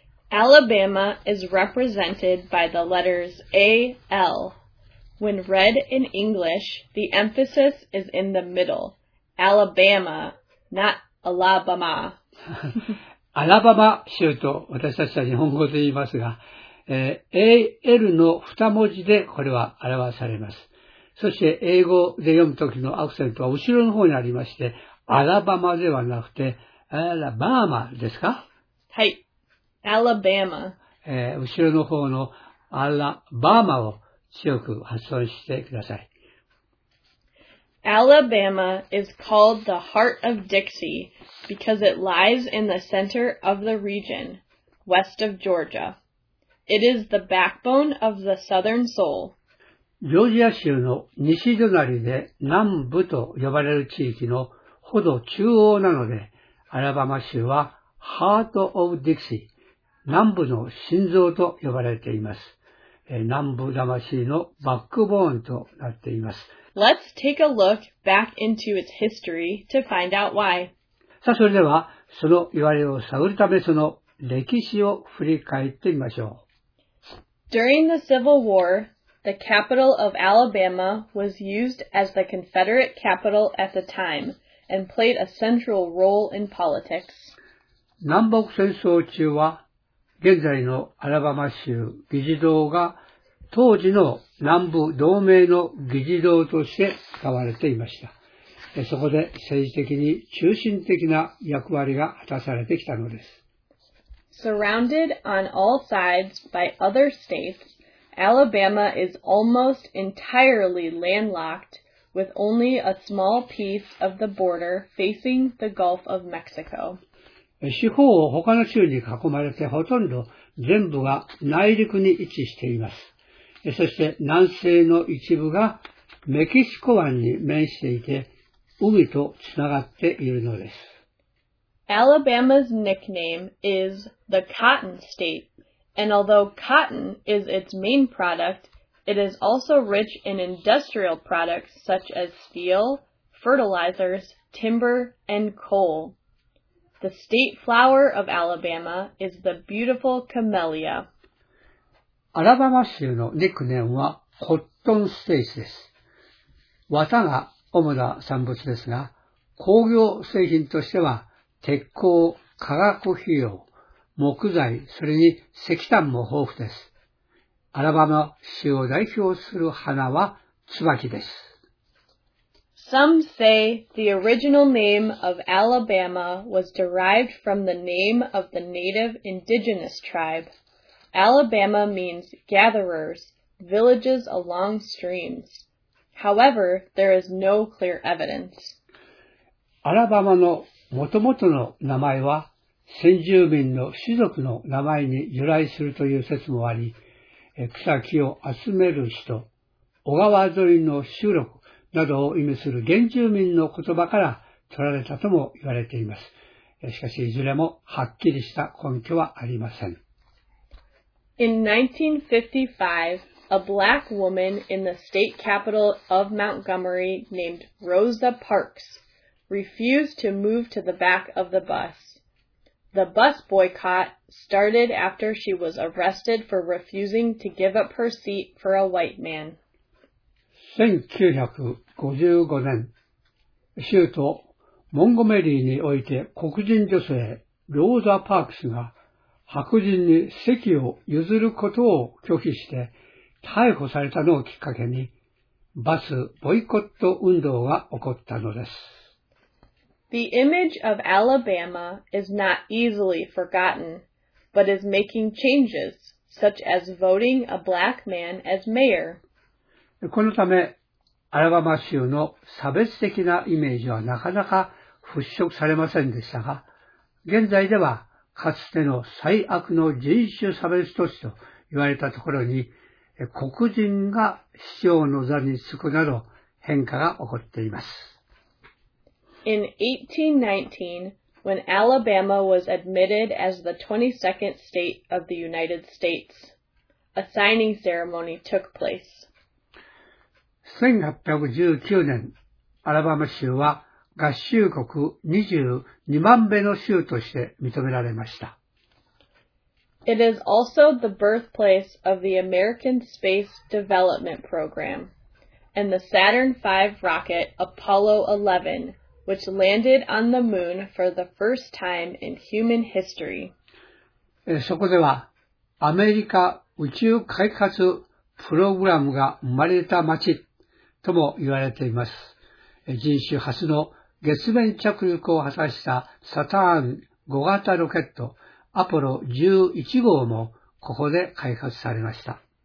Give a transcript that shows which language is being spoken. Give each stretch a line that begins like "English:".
English: Alabama is represented by the letters A-L. When read in English, the emphasis is in the middle, Alabama, not
Japanese: アラバマ。アラバマ州と私たちは日本語で言いますが、AL の二文字でこれは表されます。そして英語で読むときのアクセントは後ろの方にありまして、アラバマではなくて、アラバーマですか？はい。アラバーマ。後ろの方のアラバーマを強く発音してください。
English: Alabama is called the heart of Dixie because it lies in the center of the region, west of Georgia. It is the backbone of the southern soul.
Japanese: ジョージア州の西隣で南部と呼ばれる地域のほど中央なので、アラバマ州は Heart of Dixie、南部の心臓と呼ばれています。南部魂のバックボーンとなっています。
English: Let's take a look back into its history to find out why.
Japanese: さあ、それでは、その言われを探るためその歴史を振り返ってみましょう。
English: During the Civil War, the capital of Alabama was used as the Confederate capital at the time and played a central role in politics.
Japanese: 南北戦争中は、現在のアラバマ州議事堂が当時の南部同盟の議事堂として使われていました。そこで政治的に中心的な役割が果たされてきたのです。
English: Surrounded on all sides by other states, Alabama is almost entirely landlocked, with only a small piece of the border facing the Gulf of Mexico.
Japanese: 四方を他の州に囲まれてほとんど全部が内陸に位置しています。そして南西の一部がメキシコ湾に面していて海とつながっているのです。
English: Alabama's nickname is the Cotton State, and although cotton is its main product, it is also rich in industrial products such as steel, fertilizers, timber, and coal. The state flower of Alabama is the beautiful camellia.
Japanese: アラバマ州のニックネームはコットンステイツです。綿が主な産物ですが、工業製品としては鉄鋼、化学肥料、木材、それに石炭も豊富です。アラバマ州を代表する花は椿です。
English: Some say the original name of Alabama was derived from the name of the native indigenous tribe. Alabama means gatherers, villages along streams. However, there is no clear evidence.
Japanese: アラバマの元々の名前は先住民の種族の名前に由来するという説もあり、草木を集める人、小川沿いの集落などを意味する原住民の言葉から取られたとも言われています。しかし、いずれもはっきりした根拠はありません。
English: In 1955, a black woman in the state capital of Montgomery named Rosa Parks refused to move to the back of the bus. The bus boycott started after she was arrested for refusing to give up her seat for a white man.
Japanese: 1955年、州都モンゴメリーにおいて黒人女性ローザ・パークスが白人に席を譲ることを拒否して逮捕されたのをきっかけにバスボイコット運動が起こったのです。
English: The image of Alabama is not easily forgotten, but is making changes, such as voting a black man as mayor.
Japanese: このため、アラバマ州の差別的なイメージはなかなか払拭されませんでしたが、現在ではかつての最悪の人種差別都市と言われたところに黒人が市長の座に就くなど変化が起こっています。
English: In 1819, when Alabama was admitted as the 22nd state of the United States, a signing ceremony took place.
Japanese: 1819年、アラバマ州は合衆国22万目の州として認められました。
English: It is also the birthplace of the American Space Development Program and the Saturn V rocket Apollo 11, which landed on the moon for the first time in human history.
Japanese: そこではアメリカ宇宙開発プログラムが生まれた町とも言われています。人種初の月面着陸を果たしたサターン5型ロケットアポロ11号もここで開発されました。